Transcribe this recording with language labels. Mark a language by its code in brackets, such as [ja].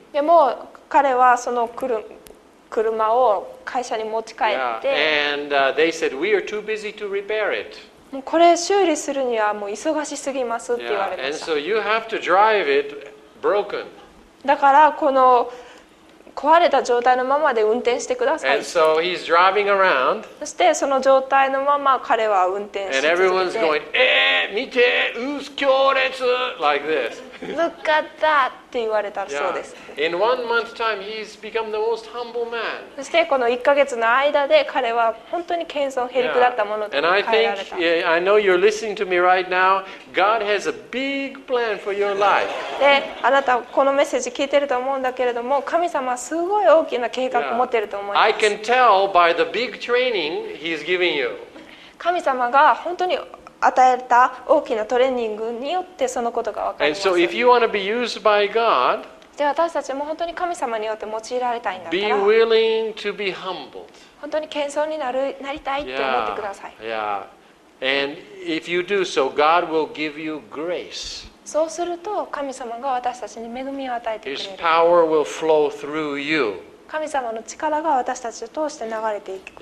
[ja] でも彼はその車を会社に持ち帰って、 [en] yeah. And they said we are too busy to repair it. [ja] もうこれ修理するにはもう忙しすぎますって言われました。 [en] Yeah. And so you have to drive it broken. [ja] だからこの壊れた状態のままで運転してください。 [en] And so he's driving around. [ja] そしてその状態のまま彼は運転して。 [en] And everyone's going, [ja] 見て、強烈 [en] like this. Look at that [ja] って言われたそうです。 [en] Yeah. In 1 month time, he's become the most humble man. [ja] そしてこの1ヶ月の間で彼は本当に謙遜、へりくだったものと変えられた。 [en] And I think, I know you're listening to me right now. God has a big plan for your life. [ja] で、あなたこのメッセージ聞いてると思うんだけれども、神様すごい大きな計画を持ってると思います。 [en] I can tell by the big training he's giving you. [ja] 神様が本当に与えた大きなトレーニングによってそのことが分かります。 [en] And so if you want to be used by God, [ja] で私たちも本当に神様によって用いられたいんだったら、 [en] be willing to be humbled. [ja] 本当に謙遜になる、なりたいって思ってください。 [en] Yeah. Yeah. And if you do so, God will give you grace. [ja] そうすると神様が私たちに恵みを与えてくれる。 [en] His power will flow through you. [ja] 神様の力が私たちを通して流れていく。